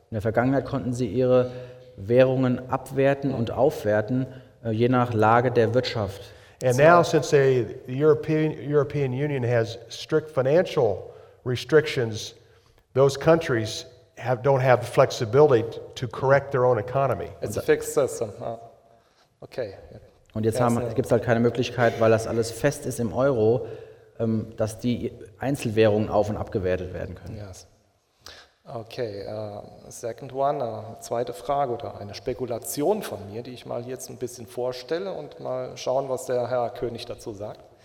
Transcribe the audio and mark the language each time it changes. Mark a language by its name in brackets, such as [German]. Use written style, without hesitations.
[German] In der Vergangenheit konnten sie ihre Währungen abwerten und aufwerten, je nach Lage der Wirtschaft. [English] And now, since the European Union has strict financial restrictions, those countries don't have the flexibility to correct their own economy. It's a fixed system. Oh. Okay. [German] Und jetzt gibt es halt keine Möglichkeit, weil das alles fest ist im Euro, dass die Einzelwährungen auf- und abgewertet werden können. [English] Yes. Okay. Second one, [German] zweite Frage oder eine Spekulation von mir, die ich mal jetzt ein bisschen vorstelle und mal schauen, was der Herr König dazu sagt.